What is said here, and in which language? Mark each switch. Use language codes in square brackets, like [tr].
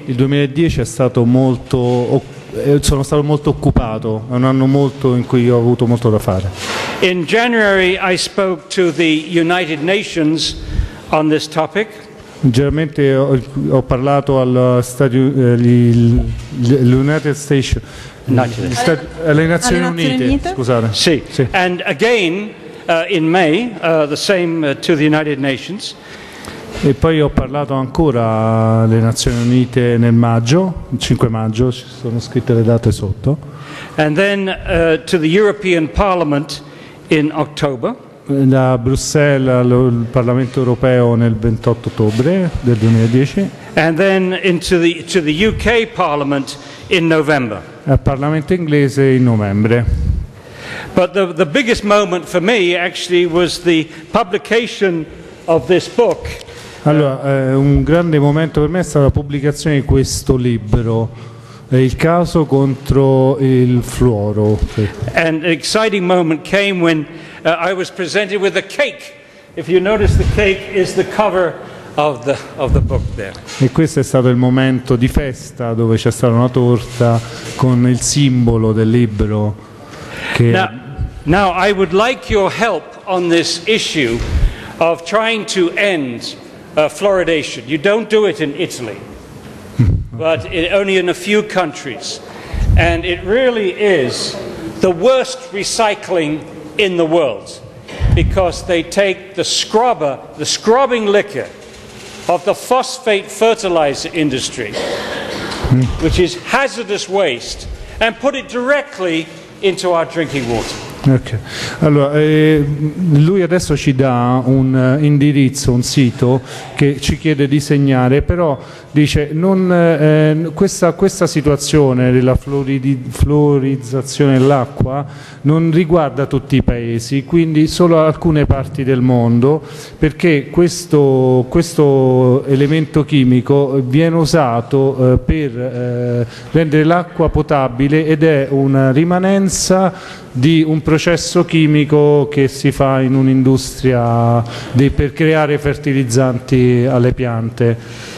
[it] Il 2010 è stato molto sono stato molto occupato, è un anno molto in cui ho avuto molto da fare. [en] In January I spoke to the United Nations on this topic. [it] Generalmente ho parlato allo Stato United States, alle Nazioni Unite, scusate. Sì. Sì. [en] And again in May the same to the United Nations. [it] E poi ho parlato ancora alle Nazioni Unite nel maggio, il 5 maggio, ci sono scritte le date sotto. [en] And then to the European Parliament in October. [it] Da Bruxelles al Parlamento Europeo nel 28 ottobre del 2010. [en] And then into to the UK Parliament in November. [it] Al Parlamento inglese in novembre. [en] But the biggest moment for me actually was the publication of this book. [it] Allora, un grande momento per me è stata la pubblicazione di questo libro, Il caso contro il fluoro. [en] An exciting moment came when I was presented with a cake. If you notice, the cake is the cover of the book there. [it] E questo è stato il momento di festa dove c'è stata una torta con il simbolo del libro. Che [en] now I would like your help on this issue of trying to end fluoridation. You don't do it in Italy, but only in a few countries, and it really is the worst recycling in the world, because they take the scrubbing liquor of the phosphate fertilizer industry, which is hazardous waste, and put it directly into our drinking water. Okay. [it] Allora, lui adesso ci dà un indirizzo, un sito che ci chiede di segnare, però dice non, questa situazione della fluorizzazione dell'acqua non riguarda tutti i paesi, quindi solo alcune parti del mondo, perché questo elemento chimico viene usato per rendere l'acqua potabile ed è una rimanenza di un processo chimico che si fa in un'industria per creare fertilizzanti alle piante.